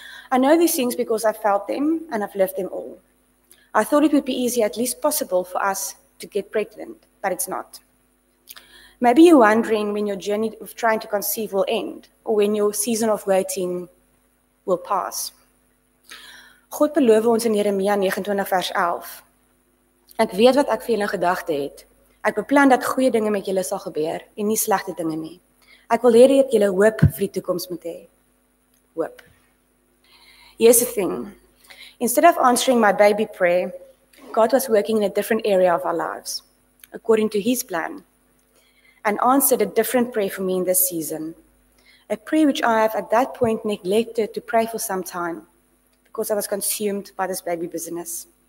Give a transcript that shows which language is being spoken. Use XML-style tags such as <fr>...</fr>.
<en>I know these things because I felt them and I've lived them all. I thought it would be easy, at least possible, for us to get pregnant, but it's not. Maybe you're wondering when your journey of trying to conceive will end or when your season of waiting will pass.</en> <af>God beloof ons in Jeremia 29 vers 11. Ek weet wat ek vir julle gedagte het. Ek beplan dat goeie dinge met julle sal gebeur en nie slegte dinge nie. Ek wil hê dat julle hoop vir die toekoms moet hê. Hoop.</af> <en>Here's the thing. Instead of answering my baby prayer, God was working in a different area of our lives, according to his plan, and answered a different prayer for me in this season. A prayer which I have at that point neglected to pray for some time, because I was consumed by this baby business.</en>